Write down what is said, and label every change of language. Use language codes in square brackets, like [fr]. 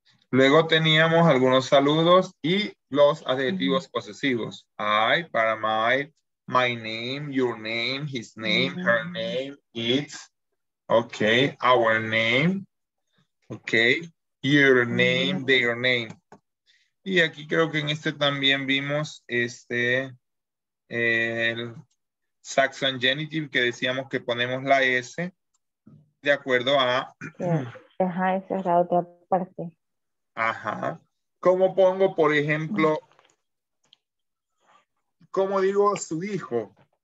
[es] Luego teníamos algunos saludos y los adjetivos posesivos. [en] I, [es] para [en] my name, your name, his name, her name, it's. Okay, our name, okay, your name, their name. [es] Y aquí creo que en este también vimos este, el Saxon genitive, que decíamos que ponemos la S de acuerdo a... Sí. Ajá, esa es la otra parte. Ajá. ¿Cómo pongo, por ejemplo, cómo digo su hijo?